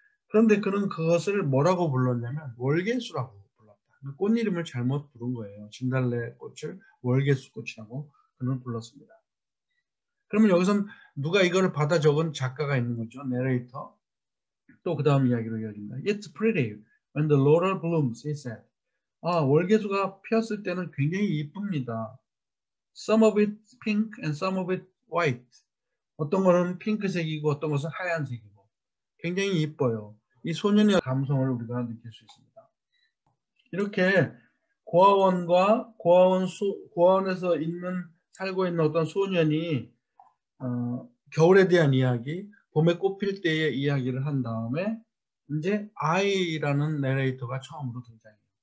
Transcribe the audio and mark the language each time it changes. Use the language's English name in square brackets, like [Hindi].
[Korean] 그런데 그는 그것을 뭐라고 불렀냐면 월계수라고 불렀다. 꽃 이름을 잘못 부른 거예요. 진달래 꽃을 월계수 꽃이라고 그는 불렀습니다. 그러면 여기서 누가 이걸 받아 적은 작가가 있는 거죠. 내레이터. 또그 다음 이야기로 이어집니다. [English] It's pretty when the laurel blooms, he said. [Korean] 아, 월계수가 피었을 때는 굉장히 이쁩니다. [English] Some of it pink and some of it white. [Korean] 어떤 거는 핑크색이고 어떤 것은 하얀색이고 굉장히 이뻐요. 이 소년의 감성을 우리가 느낄 수 있습니다. 이렇게 고아원에서 있는 살고 있는 어떤 소년이 겨울에 대한 이야기, 봄에 꽃필 때의 이야기를 한 다음에 이제 I라는 내레이터가 처음으로 등장해요.